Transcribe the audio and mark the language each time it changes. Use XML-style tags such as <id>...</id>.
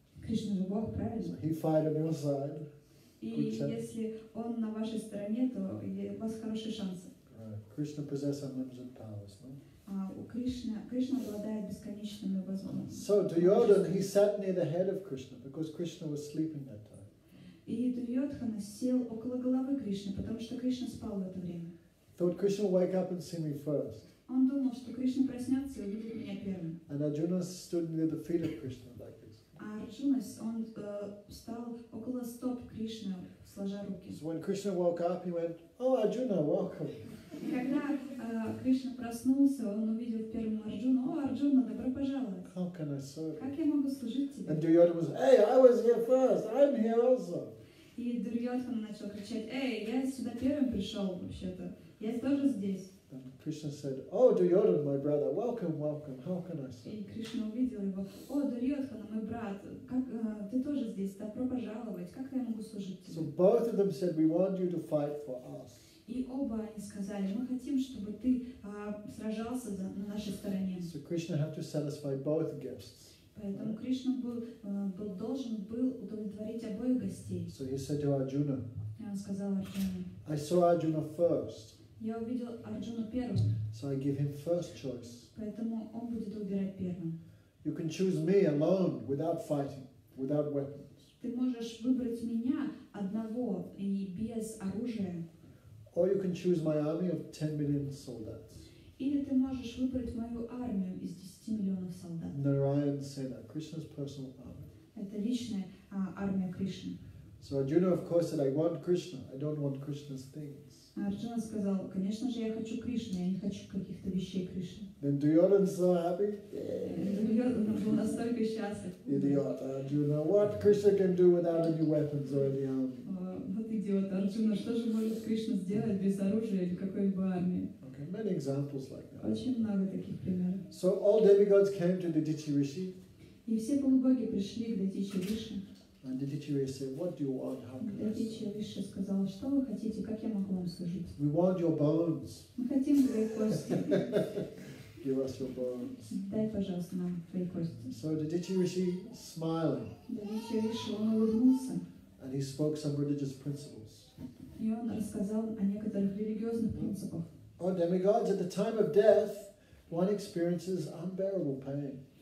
<ru>Krishna же Бог, правильно?</ru> <en>So he fight on your side.</en> <ru>И если он на вашей стороне, то у вас хорошие шансы.</ru> <en>Right. Krishna possesses unlimited powers, no?</en> <ru>Krishna обладает бесконечными возможностями.</ru> <en>So Duryodhana, he sat near the head of Krishna because Krishna was sleeping that time.</en> <ru>И Дурьотхана сел около головы Кришны, потому что Кришна спал в это время.</ru> <en>Thought Krishna will wake up and see me first.</en> <ru>Он думал, что Кришна проснется и увидит меня первым.</ru> <en>And Arjuna stood near the feet of Krishna like this.</en> <ru>Арджуна он встал около стоп Кришны, сложа руки.</ru> <en>So when Krishna woke up, he went, "Oh, Arjuna, welcome."</en> <ru>Когда Кришна проснулся, он увидел первым Арджуну. О, Арджуна, добро пожаловать.</ru> <en>How can I serve?</en> <ru>Как я могу служить тебе?</ru> <en>And Duryodhana was, "Hey, I was here first. I'm here also."</en> <ru>И Дурьотхана начал кричать: "Эй, я сюда первым пришел вообще-то. Я тоже здесь."</ru> <en>Then Krishna said, "Oh, Duryodhana, my brother, welcome, welcome. How can I serve?"</en> <ru>И Кришна увидел его: "О, Дурьотхана, мой брат, как ты тоже здесь? Добро пожаловать. Как я могу служить тебе?"</ru> <en>So both of them said, "We want you to fight for us."</en> <ru>И оба они сказали: мы хотим, чтобы ты сражался за, на нашей стороне.</ru> <en>So Krishna had to satisfy both guests.</en> <ru>Поэтому Кришна должен был удовлетворить обоих гостей.</ru> <en>So he said to Arjuna.</en> <ru>И он сказал Арджуне:</ru> <en>I saw Arjuna first.</en> <ru>Я увидел Арджуну первым.</ru> <en>So I give him first choice.</en> <ru>Поэтому он будет выбирать первым.</ru> <en>You can choose me alone, without fighting, without weapons.</en> <ru>Ты можешь выбрать меня одного и без оружия.</ru> <en>Or you can choose my army of 10 million soldats.</en> <ru>Или ты можешь выбрать мою армию из 10 миллионов солдат.</ru> <en>Narayan Sena, Krishna's personal army.</en> <ru>Это личная армия Кришны.</ru> <en>So Arjuna, of course, said, "I want Krishna. I don't want Krishna's things."</en> <ru>Арджуна сказал: "Конечно же, я хочу Кришну. Я не хочу каких-то вещей Кришны."</ru> <en>Then Duryodhana so happy.</en> <ru>Duryodhana был настолько счастлив.</ru> <en>Idiot, Arjuna. What Krishna can do without any weapons or any army?</en> <ru>Идиот, Арджуна, что же может Кришна сделать без оружия или какой-либо армии?</ru> <en>Okay, many examples like that.</en> <ru>Очень много таких примеров.</ru> <en>So all demigods came to the Dichi Rishi.</en> <ru>И все полубоги пришли к Дичи Риши.</ru> <en>And the Dichi Rishi said, "What do you want? How can I serve?"</en> <ru>Дичи Риши сказал: "Что вы хотите? Как я могу вам служить?"</ru> <en>"We want your bones."</en> <ru>Мы хотим твои кости.</ru> <en>"Give us your bones."</en> <ru>Дай, пожалуйста, нам твои кости.</ru> <en>So the Dichi Rishi smiling.</en> <ru>Дичи Риши он улыбнулся.</ru> <en>And he spoke some religious principles.</en> <ru>И он рассказал о некоторых религиозных принципах.</ru> <en>Oh, demigods, at the time of death, one experiences unbearable pain.</en>